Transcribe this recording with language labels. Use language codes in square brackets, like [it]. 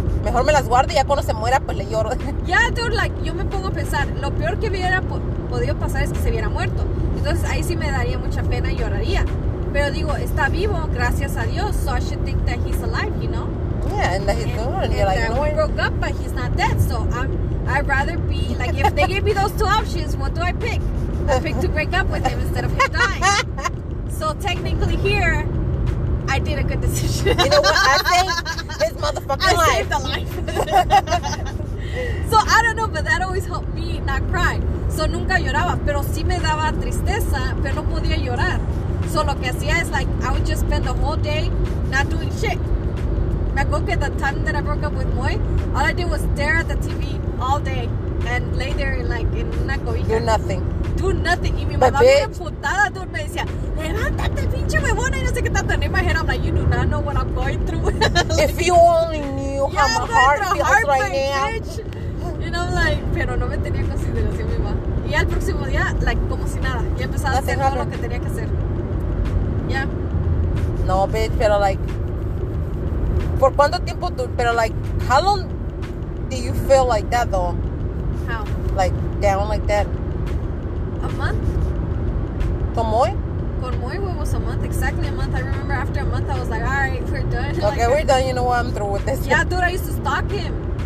[es] mejor me las guardo y ya cuando se muera, pues le lloro. Yeah, dude, like, yo me pongo a pensar. Lo peor que hubiera podido pasar es que se hubiera muerto. Entonces, ahí sí me daría mucha pena y lloraría. Pero digo, está vivo, gracias a Dios. [en] So, I should think that he's alive, you know? Yeah, and that he's good. And you're like, that no we broke up, but he's not dead. So, I'd rather be, like, if they gave me those two options, what do I pick? I pick to break up with him instead of him dying. So, technically here, I did a good decision. You know what? I think his motherfucking life. I saved a life. So, I don't know, but that always helped me not cry. [es] So, nunca lloraba, pero sí me daba tristeza, pero no podía llorar. [en] So, lo que hacía es, like, I would just spend the whole day not doing shit. Me acuerdo que the time that I broke up with Moy, all I did was stare at the TV all day and lay there in, like, in una cobija. Do nothing. Do nothing. [es] Y mi mamá muy emputada, dude, me decía, levántate, pinche huevona, y no sé qué tanto. [en] In my head, I'm like, you do not know what I'm going through. Like, if you only knew how my heart feels right now. [es] Bitch. And I'm like, pero no me tenía consideración, mi mamá. Y al próximo día, like, como si nada. Y empezaba a hacer todo lo que tenía que hacer. [en] Yeah. [es] No, bitch, pero, like, ¿por cuánto tiempo tú? [en] Pero, like, how long do you feel like that, though? How? Like, down like that. A month. [es] ¿Con Moy? [en] Con Moy, what was a month? Exactly a month. I remember after a month, I was like, all right, we're done. Okay, like, we're done. You know what? I'm through with this. Yeah, dude, I used to stalk him.